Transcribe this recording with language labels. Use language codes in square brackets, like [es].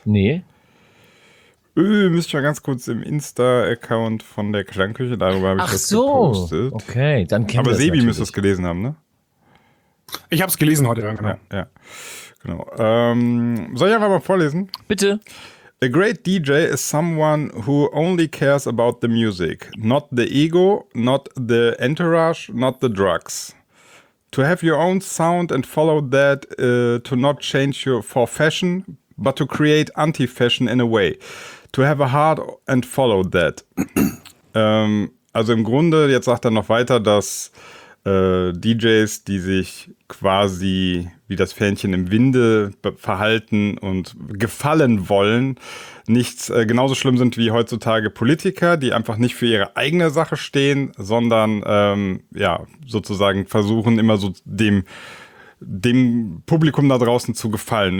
[de] Nee. Müsst ihr mal ganz kurz im Insta-Account von der Klangküche, darüber habe ich das gepostet. Ach so, okay, dann kennt ihr es. Aber Sebi müsste es gelesen haben, ne? Ich habe es gelesen heute. Ja, genau. Soll ich einfach mal vorlesen? Bitte. [en] A great DJ is someone who only cares about the music, not the ego, not the entourage, not the drugs. To have your own sound and follow that, to not change you for fashion, but to create anti-fashion in a way. To have a heart and follow that. [de] Also im Grunde, jetzt sagt er noch weiter, dass DJs, die sich quasi wie das Fähnchen im Winde verhalten und gefallen wollen, nichts genauso schlimm sind wie heutzutage Politiker, die einfach nicht für ihre eigene Sache stehen, sondern sozusagen versuchen, immer so dem Publikum da draußen zu gefallen.